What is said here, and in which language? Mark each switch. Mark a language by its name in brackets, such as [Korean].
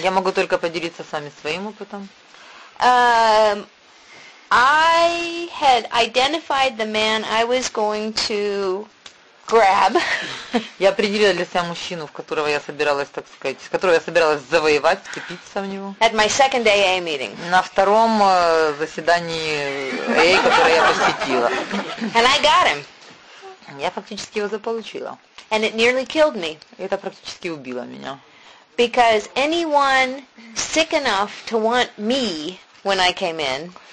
[Russian] Я могу только поделиться с вами своим опытом. [English] I had identified the man I was going to grab. [Russian] Я определила для себя мужчину, в которого я собиралась, так сказать, с которого я собиралась завоевать, вцепиться в него. [English] At my second AA meeting. [Russian] На втором заседании AA, которое я посетила. [English] And I got him. [Russian] Я фактически его заполучила. [English] And it nearly killed me. [Russian] Это практически убило меня. [English] Because anyone sick enough to want me when I came in.